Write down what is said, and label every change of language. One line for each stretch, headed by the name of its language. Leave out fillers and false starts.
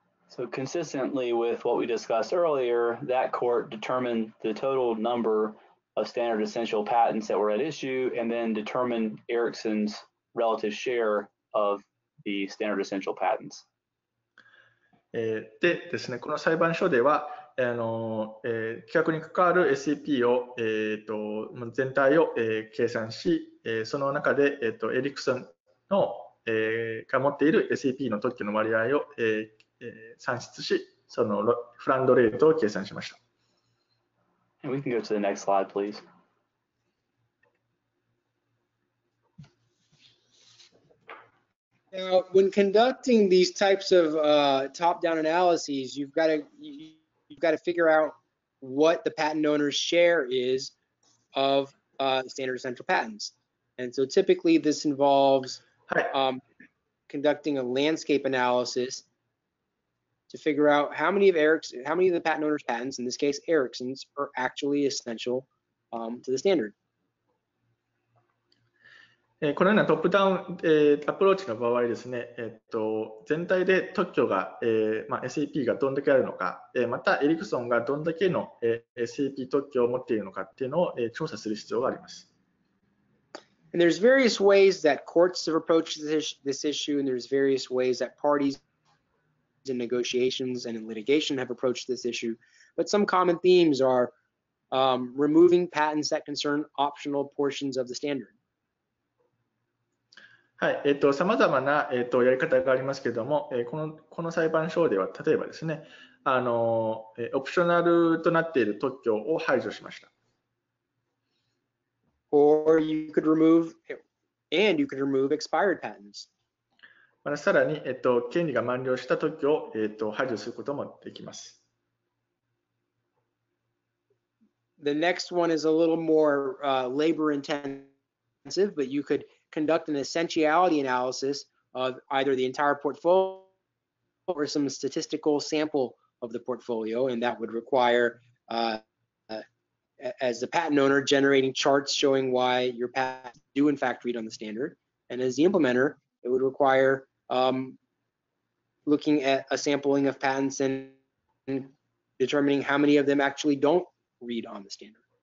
English: So consistently with what we discussed earlier, that court determined the total number of standard essential patents that were at issue and then determined Ericsson's relative share of the standard essential patents.
Japanese: でですね、この裁判所では、規格に関わる SAP を、全体を、計算し、その中で、エリクソンの、が持っている SAP の特許の割合を、算出し、そのフランドレートを計算しました。
English: And we can go to the next slide, please. Now, when conducting these types of top-down analyses, you've got to figure out what the patent owner's share is of standard essential patents. And so typically this involves conducting a landscape analysis to figure out how many of the patent owner's patents, in this case Ericsson's, are actually essential to the standard.
Japanese: このようなトップダウン、アプローチの場合ですね、全体で特許が、SAP がどんだけあるのか、またエリクソンがどんだけの、SAP 特許を持っているのかっていうのを、調査する必要があります。
English: And there's various ways that courts have approached this issue, and there's various ways that parties in negotiations and in litigation have approached this issue, but some common themes are, removing patents that concern optional portions of the standard.
Japanese: はい、さまざまな、やり方がありますけれども、この裁判所では例えばですね、オプショナルとなっている特許を排除しました。
English: Or you could remove, and you could remove expired patents.
Japanese: またさらに、権利が満了した特許を、排除することもできます。
English: The next one is a little more, labor intensive, but you could. Conduct an essentiality analysis of either the entire portfolio or some statistical sample of the portfolio, and that would require, as the patent owner, generating charts showing why your patents do in fact read on the standard, and as the implementer, it would require, looking at a sampling of patents and determining how many of them actually don't read on the standard.